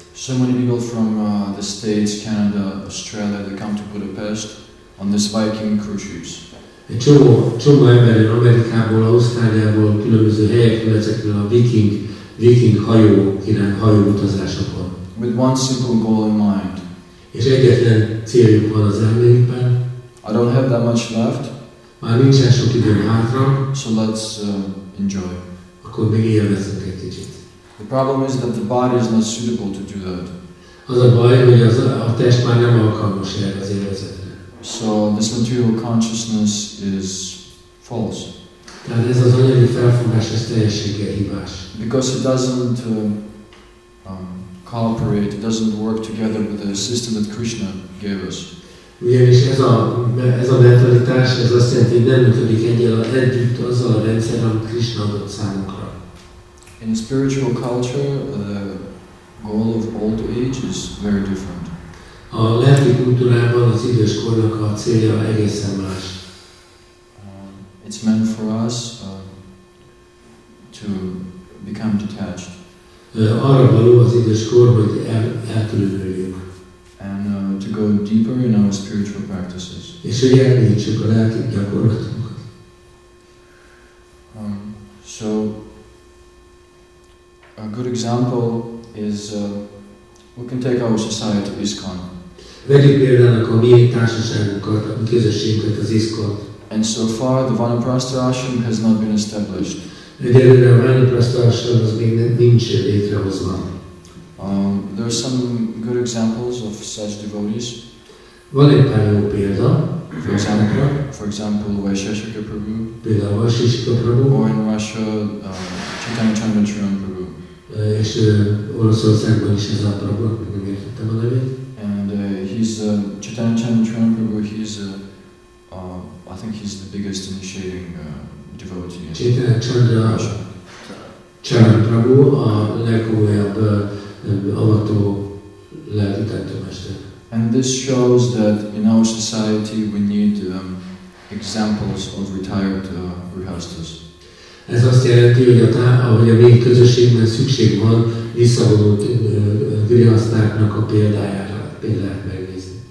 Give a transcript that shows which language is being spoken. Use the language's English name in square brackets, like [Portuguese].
[English] So many people from the States, Canada, Australia, they come to Budapest on this Viking cruise ships. [Hungarian] Egy csomó ember Amerikából, Ausztráliából, különböző helyekről, ezekről a viking hajóutazásokon. [English] With one simple goal in mind. [Hungarian] És egyetlen céljuk van az emberekben. [English] I don't have that much left. [Hungarian] Már nincsen sok időm hátra. [English] So let's enjoy. [Hungarian] Akkor még élvezzünk egy kicsit. [English] The problem is that the body is not suitable to do that. [Hungarian] Az a baj, hogy az a test már nem alkalmas erre az élvezetre. [English] So this material consciousness is false. [Hungarian] Tehát ez az anyagi felfogás, ez teljességgel hibás. [English] Because it doesn't cooperate, it doesn't work together with the system that Krishna gave us. [Hungarian] Ugyanis ez a mentalitás, ez azt jelenti, hogy nem működik együtt azzal a rendszer, amit Krishna adott számunkra. [English] In spiritual culture, the goal of old age is very different. [Hungarian] A lelki kultúrában az idős kornak a célja egészen más. [English] It's meant for us to become detached. [Hungarian] Arra való az idős kor, hogy eltülődjünk. [English] And to go deeper in our spiritual practices. [Hungarian] És hogy elmélyítsük a lelki gyakorlatunkat. [English] So a good example is we can take our society ISKCON. [Hungarian] Vegyük példának a mi társaságunkat, a közösségünket, az ISKCON. [English] And so far the Vanaprastha Ashram has not been established. [Hungarian] Egyelőre a Vanaprastha Ashram az még nincs létrehozva. [English] There are some good examples of such devotees. [Hungarian] Van egy pár jó példa. [English] For example, Vaisheshika Prabhu. [Hungarian] Például Vaisheshika Prabhu. [English] Or in Russia, Chaitanya Chandrachuran Prabhu. [Hungarian] És Oroszországban is ez a Prabhu, nem értettem a nevét. [English] And he's Chaitanya Chandrachuran Prabhu, he's I think he's the biggest initiating devotee. [Hungarian] Chaitanya Chandrachuran Prabhu a legújabb avató lelki tanítómester. [English] And this shows that in our society we need examples of retired grihasthas. [Hungarian] Ez azt jelenti, hogy a mi közösségben szükség van visszavonult grihasztáknak a példájára, példát megnézni.